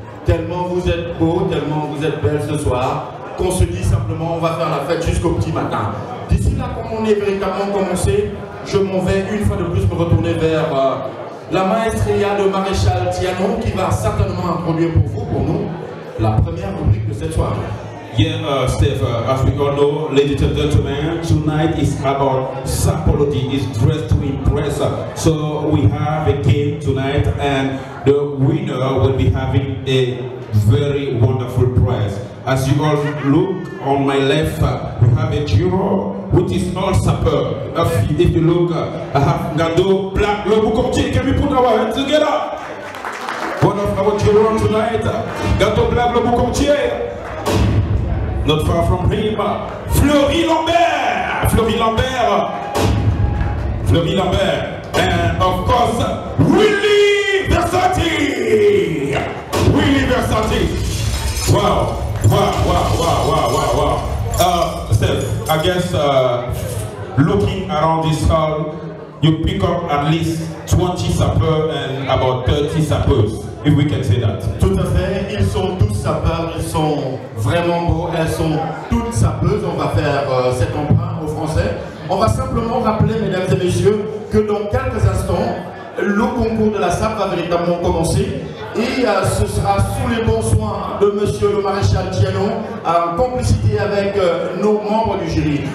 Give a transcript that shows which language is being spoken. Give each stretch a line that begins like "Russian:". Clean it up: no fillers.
French: Tellement vous êtes beau, tellement vous êtes belle ce soir, qu'on se dit simplement on va faire la fête jusqu'au petit matin. D'ici là, comme on est véritablement commencé, je m'en vais une fois de plus me retourner vers la maestria de Maréchal Diallo qui va certainement introduire pour vous, pour nous, la première rubrique de cette soirée.
English: Yeah, Steph, as we all know, ladies and gentlemen, tonight is about Sapology, is dressed to impress. So we have a game tonight and the winner will be having a very wonderful prize. As you all look on my left, we have a Giro, which is all supper. If you look, I have Gando, Black, Le Boucontier, can we put our hands together? One of our Giro tonight, Gando, Black, Le Boucontier. Not far from him, Fleury Lambert! Fleury Lambert! Fleury Lambert! And of course, Willy Versace! Willy Versace! Wow! Wow! Wow! Wow! Wow! Wow! Wow! Steph, I guess looking around this hall, you pick up at least 20 sapeurs and about 30 sapeurs. If we can say that.
French: Tout à fait, ils sont tous sapeurs, ils sont vraiment beaux, elles sont toutes sapeuses, on va faire cet emprunt aux Français. On va simplement rappeler, mesdames et messieurs, que dans quelques instants, le concours de la SAP va véritablement commencer et ce sera sous les bons soins de monsieur le maréchal Diallo, en complicité avec nos membres du jury.